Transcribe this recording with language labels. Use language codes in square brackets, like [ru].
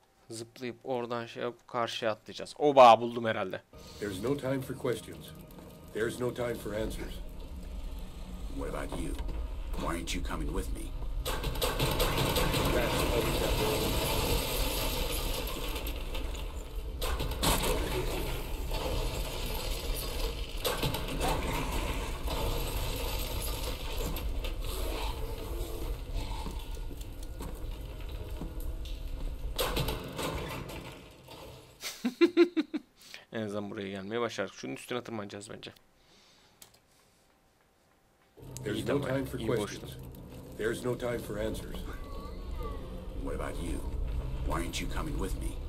[tr] Zıplayıp oradan şey yapıp karşıya atlayacağız. Oba, buldum herhalde. [en] There's no time for questions. There's no time for answers. What about you? Why aren't you coming with me? [tr] En azından buraya gelmeye başardık. Şunun üstüne tırmanacağız bence. [en] There's no time for questions. There's no time for answers. What about you? Why aren't you coming with me?